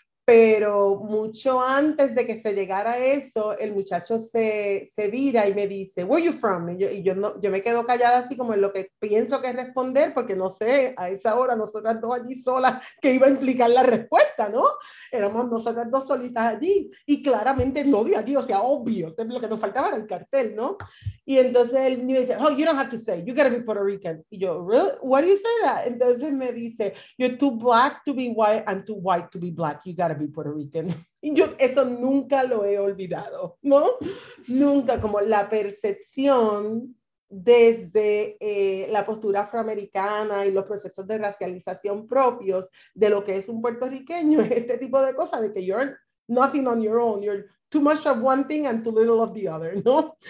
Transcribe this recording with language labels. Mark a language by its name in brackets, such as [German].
[Spanish] Pero mucho antes de que se llegara a eso, el muchacho se vira y me dice, [English] "Where are you from?" [Spanish] Y yo me quedo callada así como en lo que pienso que es responder, porque no sé, a esa hora nosotras dos allí solas, ¿qué iba a implicar la respuesta, no? Éramos nosotras dos solitas allí, y claramente no de allí, o sea, obvio, lo que nos faltaba era el cartel, ¿no? Y entonces él me dice, [English] "Oh, you don't have to say, you gotta be Puerto Rican." [Spanish] Y yo, [English] "Really? Why do you say that?" [Spanish] Entonces me dice, [English] "You're too black to be white and too white to be black, you gotta be Puerto Rican." [Spanish] Y yo eso nunca lo he olvidado, ¿no? Nunca, como la percepción desde la postura afroamericana y los procesos de racialización propios de lo que es un puertorriqueño, este tipo de cosas, de que [English] you're nothing on your own, you're too much of one thing and too little of the other, [Spanish] ¿no?